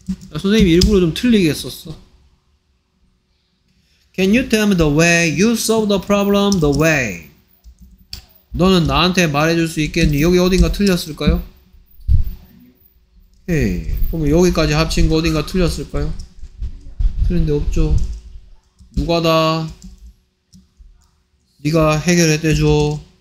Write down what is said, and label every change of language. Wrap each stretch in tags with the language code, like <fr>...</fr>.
<ko>선생님이 일부러 좀 틀리게 썼어.</ko> <en>Can you tell me the way you solve the problem the way?</en> <ko>너는 나한테 말해줄 수 있겠니? 여기 어딘가 틀렸을까요? 에이, 그럼 여기까지 합친 거 어딘가 틀렸을까요? 틀린 데 없죠. 누가 다? 네가 해결했대죠.</ko>